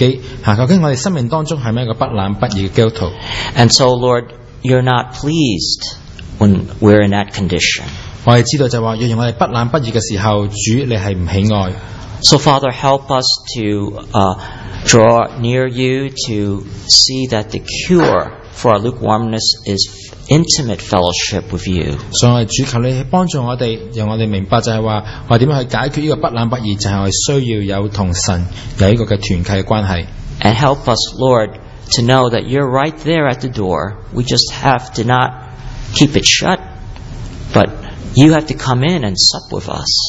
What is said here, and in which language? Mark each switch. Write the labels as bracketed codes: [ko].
[zh] 我们都应该很认清去承认自己，究竟我们生命当中是不是一个不冷不热的基督徒。 [en] And so, Lord, you're not pleased when we're in that condition. [zh] 我们知道就是说，若然我们不冷不热的时候，主你是不喜爱。 [en] So Father, help us to draw near you to see that the cure for our lukewarmness is intimate fellowship with you. [zh] 所以主求你帮助我们，让我们明白就是说，我怎么去解决这个不冷不热，就是需要有同神有一个团契的关系。 [en] And help us, Lord, to know that you're right there at the door. We just have to not keep it shut, but you have to come in and sup with us.